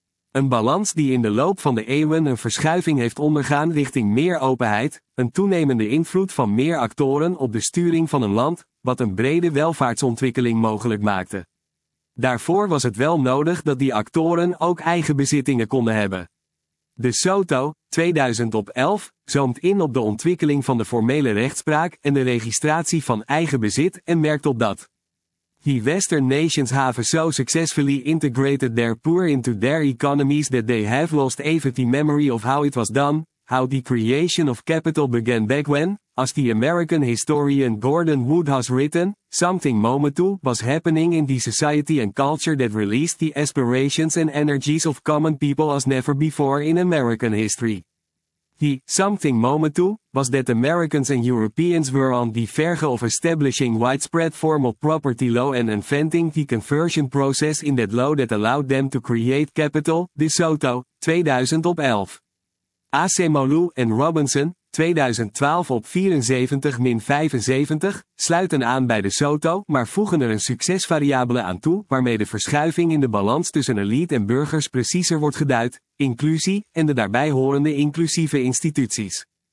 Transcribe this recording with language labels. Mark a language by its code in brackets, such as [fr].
[nl] Een balans die in de loop van de eeuwen een verschuiving heeft ondergaan richting meer openheid, een toenemende invloed van meer actoren op de sturing van een land, wat een brede welvaartsontwikkeling mogelijk maakte. Daarvoor was het wel nodig dat die actoren ook eigen bezittingen konden hebben. De Soto, 2011, zoomt in op de ontwikkeling van de formele rechtspraak en de registratie van eigen bezit en merkt op dat [en] "The Western nations have so successfully integrated their poor into their economies that they have lost even the memory of how it was done, how the creation of capital began back when, as the American historian Gordon Wood has written, something momentu was happening in the society and culture that released the aspirations and energies of common people as never before in American history. The something momentu was that Americans and Europeans were on the verge of establishing widespread formal property law and inventing the conversion process in that law that allowed them to create capital, De Soto, 2011. [nl] Acemoğlu en Robinson, 2012 op 74-75, sluiten aan bij De Soto, maar voegen er een succesvariabele aan toe waarmee de verschuiving in de balans tussen elite en burgers preciezer wordt geduid, inclusie en de daarbij horende inclusieve instituties.